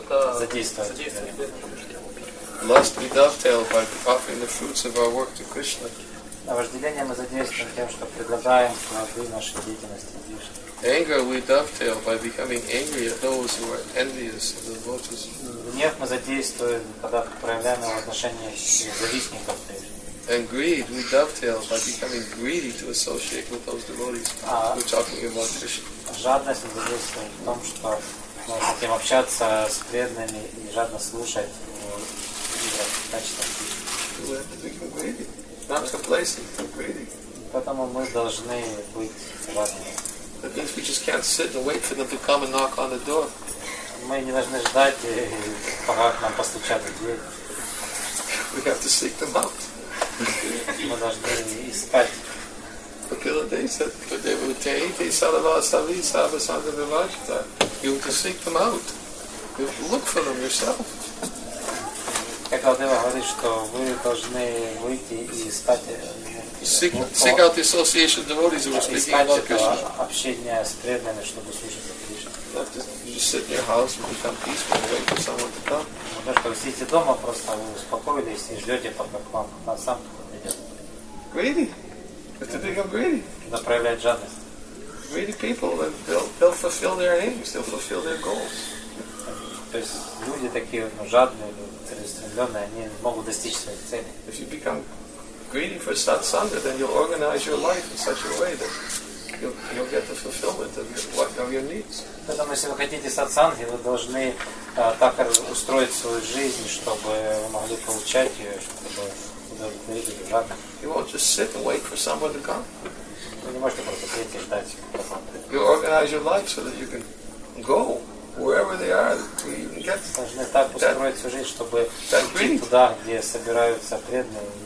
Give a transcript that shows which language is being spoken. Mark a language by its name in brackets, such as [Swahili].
[English] Lust we dovetail by offering the fruits of our work to Krishna. Anger we dovetail by becoming angry at those who are envious of the devotees. [Russian] Гнев мы задействуем, когда проявляем его отношение к завистникам. [English] And greed we dovetail by becoming greedy to associate with those devotees who are talking about Krishna. [Russian] Жадность мы задействуем в том, что мы хотим общаться с преданными и жадно слушать о качествах [English] Кришны. Not complacent, but greedy. [Russian] Поэтому мы должны быть жадными. [English] That means we just can't sit and wait for them to come and knock on the door. [Russian] Мы не должны ждать, пока к нам постучат в дверь. [English] We have to seek them out. [Russian] Мы должны искать. Akila Deva Salavasavi Savasanda Vivajita. [English] You have to seek them out. You have to look for them yourself. [Russian] Akila Deva говорит, что вы должны выйти и искать. [English] Seek out the association of devotees who are speaking about Krishna. [Russian] Общение с преданными, чтобы слушать Кришну. [English] You just sit in your house and become peaceful and wait for someone to come. [Russian] Вы можете сидеть дома, просто вы успокоились и ждете, пока к вам сам кто-то придет. [English] Greedy. Have to become greedy. [Russian] Надо проявлять жадность. [English] Greedy people, they'll fulfill their aims, they'll fulfill their goals. [Russian] То есть люди такие жадные, целеустремленные, они могут достичь своих целей. [English] If you become greedy for satsanga, then you'll organize your life in such a way that you'll get the fulfillment of your needs. [Russian] Поэтому, если вы хотите сатсанги, вы должны так устроить свою жизнь, чтобы вы могли получать ее, чтобы удовлетворить ее жадность. [English] You won't just sit and wait for someone to come. [Russian] Вы не можете просто сидеть и ждать. [English] You organize your life so that you can go wherever they are, that you can get. [Russian] Вы должны так устроить свою жизнь, чтобы идти туда, где собираются преданные.